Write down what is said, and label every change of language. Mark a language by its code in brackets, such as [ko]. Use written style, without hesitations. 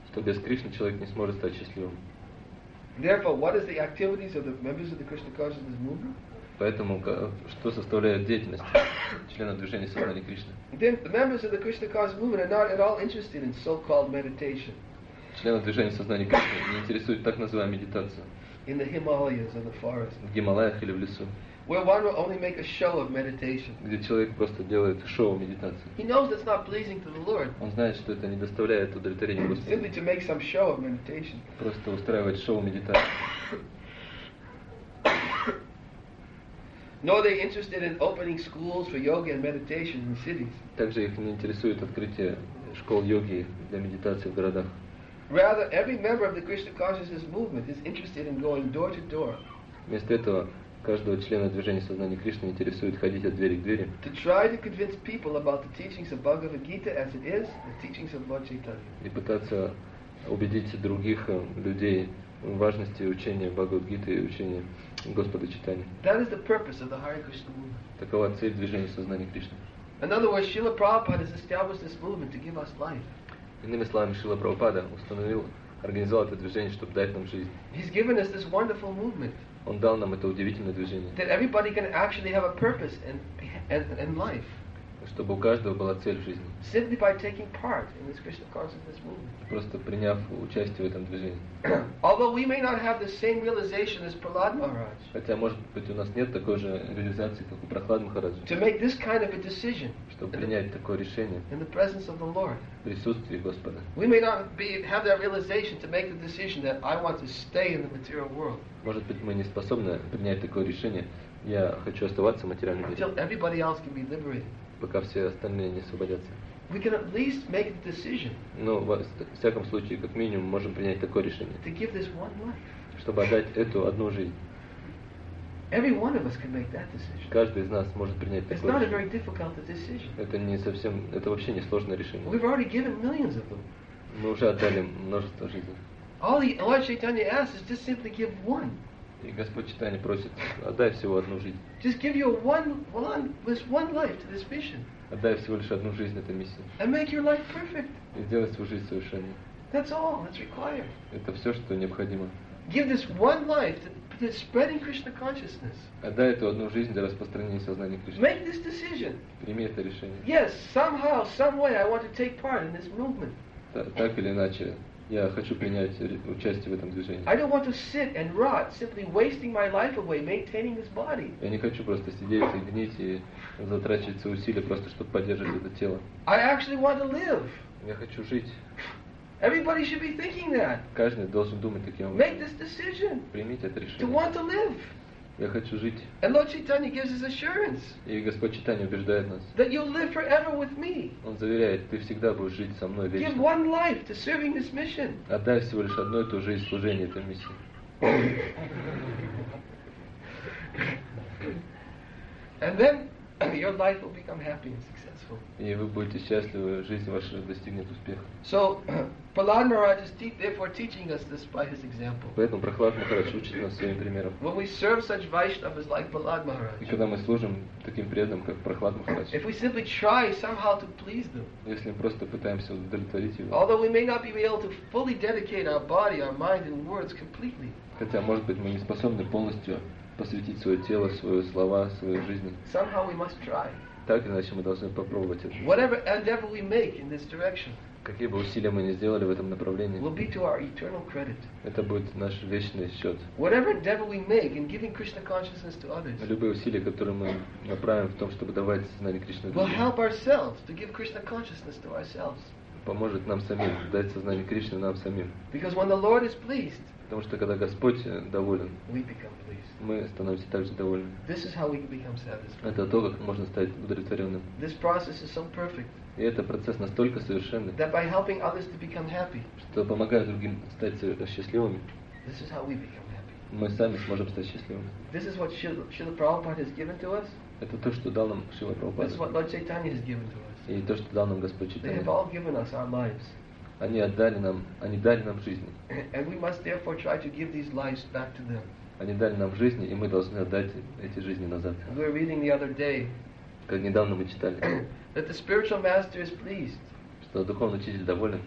[ru] Что без Кришны человек не сможет стать счастливым. [en] Therefore, what is the activities of the members of the Krishna consciousness movement? [ru] Поэтому, что составляет деятельность члена движения сознания Кришны? [en] Then the members of the Krishna consciousness movement are not at all interested in so-called meditation. [ru] Члены движения сознания Кришны не интересуют так называемая медитация. [en] In the Himalayas or the forest. [ru] В Гималаях или в лесу. [en] Where one will only make a show of meditation. [ru] Где человек просто делает шоу медитации. [en] He knows that's not pleasing to the Lord. [ru] Он знает, что это не доставляет удовлетворения Господу. [en] Simply to make some show of meditation. [ru] Просто устраивать шоу медитации. [en] Nor are they interested in opening schools for yoga and meditation in cities. [ru] Также их не интересует открытие школ йоги для медитации в городах. [en] Rather, every member of the Krishna consciousness movement is interested in going door to door. [ru] Вместо этого каждого члена движения сознания Кришны интересует ходить от двери к двери. [en] To try to convince people about the teachings of Bhagavad Gita as it is, the teachings of Lord Chaitanya. [ru] И пытаться убедить других людей важности учения Бхагавад-гиты и учения Господа Чайтаньи. [en] That is the purpose of the Hare Krishna movement. [ru] Такова цель движения сознания Кришны. [en] In other words, Srila Prabhupada has established this movement to give us life. [ru] Иными словами, Шрила Прабхупада установил, организовал это движение, чтобы дать нам жизнь. [en] He's given us this wonderful movement. [ru] Он дал нам это удивительное движение. [en] That everybody can actually have a purpose in life. [ru] Чтобы у каждого была цель в жизни. [en] Simply by taking part in this Krishna consciousness movement. [ru] Просто приняв участие в этом движении. [en] Although we may not have the same realization as Prahlad Maharaj. [ru] Хотя, может быть, у нас нет такой же реализации, как у Прахлад Махараджа. [en] To make this kind of a decision. [ru] Чтобы принять такое решение. [en] In the presence of the Lord. [ru] В присутствии Господа. [en] We may not have that realization to make the decision that I want to stay in the material world. [ru] Может быть, мы не способны принять такое решение. Я хочу оставаться в материальном мире. [en] Until everybody else can be liberated. [ru] Пока все остальные не освободятся. [en] We can at least make the decision. [ru] Ну, в всяком случае, как минимум, можем принять такое решение. [en] To give this one life. [ru] Чтобы отдать эту одну жизнь. [en] Every one of us can make that decision. [ru] Каждый из нас может принять такое [en] решение. It's not a very difficult decision. [ru] Это не совсем, это вообще не сложное решение. [en] We've already given millions of them. [ru] Мы уже отдали множество жизней. [en] All the Lord Chaitanya asks is just simply give one. [ru] И Господь Читания просит, отдай всего одну жизнь. [en] Just give you one life to this mission. [ru] Отдай всего лишь одну жизнь этой миссии. [en] And make your life perfect. [ru] И сделай свою жизнь совершенной. [en] That's all that's required. [ru] Это все, что необходимо. [en] Give this one life to spreading Krishna consciousness. [ru] Отдай эту одну жизнь для распространения сознания Кришны. [en] Make this decision. [ru] Прими это решение. [en] Yes, somehow, some way, I want to take part in this movement. [ru] Так или иначе. Я хочу принять участие в этом движении. [en] I don't want to sit and rot, simply wasting my life away maintaining this body. [ru] Я не хочу просто сидеть и гнить и затрачивать свои усилия просто чтобы поддерживать это тело. [en] I actually want to live. [ru] Я хочу жить. [en] Everybody should be thinking that. [ru] Каждый должен думать таким образом. [en] Make this decision. [ru] Примите это решение. [en] To want to live. [ru] Я хочу жить. [en] And Lord Chaitanya gives us assurance. [ru] И Господь Чайтанья убеждает нас. [en] That you'll live forever with me. [ru] Он заверяет, ты всегда будешь жить со мной вечно. [en] Give one life to serving this mission. [ru] Отдай всего лишь одну эту жизнь служению этой миссии. [en] And then your life will become happy and successful. [ru] И вы будете счастливы, жизнь ваша достигнет успеха. [en] So Prahlad Maharaj is therefore teaching us this by his example. [ru] Поэтому Прахлад Махарадж учит нас своим примером. [en] When we serve such Vaishnavas like Prahlad Maharaj. [ru] И когда мы служим таким преданным, как Прахлад Махарадж. [en] If we simply try somehow to please them. [ru] Если мы просто пытаемся удовлетворить его. [en] Although we may not be able to fully dedicate our body, our mind, and words completely. [ru] Хотя, может быть, мы не способны полностью посвятить свое тело, свои слова, свою жизнь. [en] Somehow we must try. [ru] Так или иначе мы должны попробовать это. [en] Whatever endeavor we make in this direction. [ru] Какие бы усилия мы ни сделали в этом направлении, [en] will be to our eternal credit. [ru] Это будет наш вечный счет. [en] Whatever endeavor we make in giving Krishna consciousness to others. [ru] Любые усилия, которые мы направим в том, чтобы давать сознание Кришне. [en] Will help ourselves to give Krishna consciousness to ourselves. [ru] Поможет нам самим дать сознание Кришне нам самим. [en] Because when the Lord is pleased. [ru] Потому что когда Господь доволен, [en] we become pleased. [ru] Мы становимся также довольны. [en] This is how we can become satisfied. [ru] Это то, как можно стать удовлетворенным. [en] This process is so perfect. [ru] И это процесс настолько совершенный, [en] that by helping others to become happy, [ru] что помогая другим стать счастливыми, [en] this is how we become happy. [ru] Мы сами сможем стать счастливыми. [en] This is what Srila Prabhupada has given to us. [ru] Это то, что дал нам Шрила Прабхупада. [en] This is what Lord Chaitanya has given to us. [ru] И то, что дал нам Господь Чайтанья. [en] They have all given us our lives. [ru] Они дали нам жизнь. [en] And we must therefore try to give these lives back to them. [ru] Они дали нам жизнь, и мы должны отдать эти жизни назад. [en] We were reading the other day. [ru] Как недавно мы читали. [en] That the spiritual master is pleased. [ru] Что духовный учитель доволен.